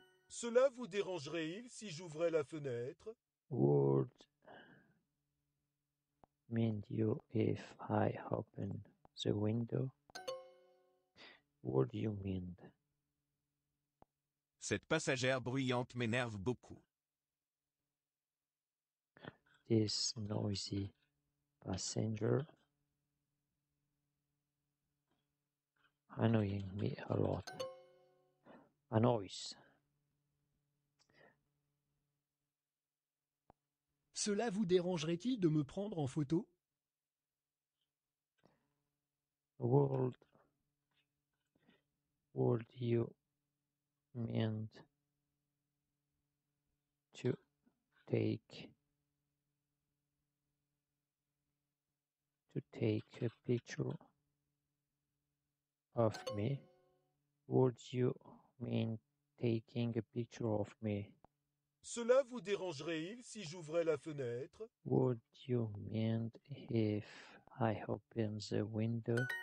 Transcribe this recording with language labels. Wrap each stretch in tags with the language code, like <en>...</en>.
<fr>Cela vous dérangerait-il si j'ouvrais la fenêtre?</fr> <en>Would mind you if I open the window? What do you mean?</en> <fr>Cette passagère bruyante m'énerve beaucoup.</fr> <en>This noisy passenger annoying me a lot. Annoys.</en> <fr>Cela vous dérangerait-il de me prendre en photo?</fr> <en>Would you mind to take a picture of me? Would you mind taking a picture of me?</en> <fr>Cela vous dérangerait-il si j'ouvrais la fenêtre?</fr> <en>Would you mind if I open the window?</en>